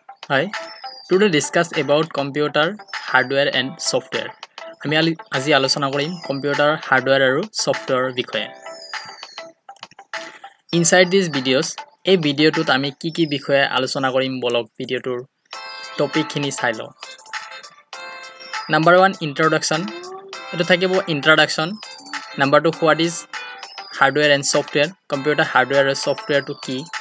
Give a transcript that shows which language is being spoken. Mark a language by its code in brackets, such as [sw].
[en] Hi, today discuss about computer hardware and software. [as] আমি আজি আলোচনা কৰিম computer hardware আৰু software বিষয়ে. [en] Inside these videos, [as] এই ভিডিঅটোত আমি কি কি বিষয়ে আলোচনা কৰিম বলক ভিডিঅটোৰ টপিকখিনি চাই লওঁ. [en] Number 1 introduction. [as] এটো থাকিব [en] introduction. Number 2 what is hardware and software? [as] Computer hardware আৰু software টো কি?